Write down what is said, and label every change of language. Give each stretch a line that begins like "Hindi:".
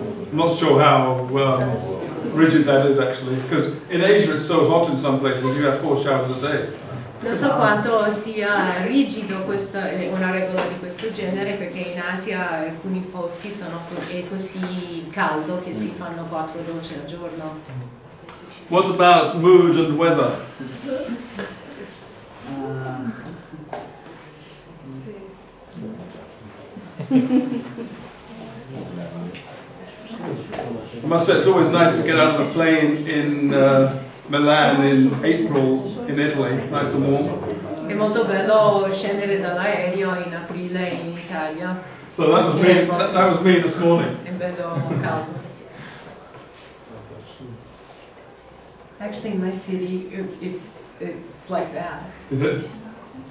English: I'm not sure how rigid that is actually, because in Asia it's so hot in some places you have 4 showers a day.
Italian: Non so quanto sia rigido questa, una regola di questo genere, perché in Asia alcuni posti sono così caldo che si fanno 4 docce al giorno.
English: What about mood and weather? I must say, it's always nice to get out of the plane in Milan in April in Italy, nice and warm.
Italian: È molto bello scendere dall'aereo in aprile in Italia.
English: So that was me. That was me this morning.
Italian: È bello caldo.
English: Actually, my city, it's like that. Is it?